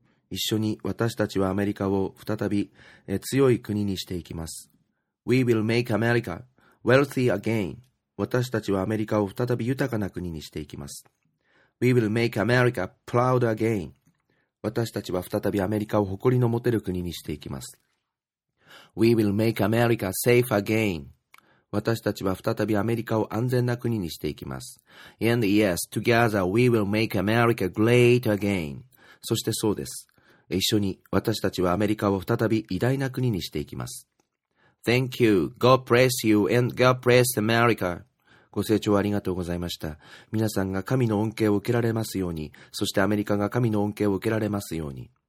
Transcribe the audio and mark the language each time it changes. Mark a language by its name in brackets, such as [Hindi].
[Japanese] 一緒に私たちはアメリカを再び、強い国にしていきます。 [English] We will make America wealthy again。 [Japanese] 私たちはアメリカを再び豊かな国にしていきます。 [English] We will make America proud again。 [Japanese] 私たちは再びアメリカを誇りの持てる国にしていきます。 [English] We will make America safe again. [Japanese] 私たちは再びアメリカを安全な国にしていきます。 [English] And yes, together we will make America great again. [Japanese] そしてそうです。一緒に私たちはアメリカを再び偉大な国にしていきます。 [English] Thank you. God bless you and God bless America. [Japanese] ご清聴ありがとうございました。皆さんが神の恩恵を受けられますように、そしてアメリカが神の恩恵を受けられますように。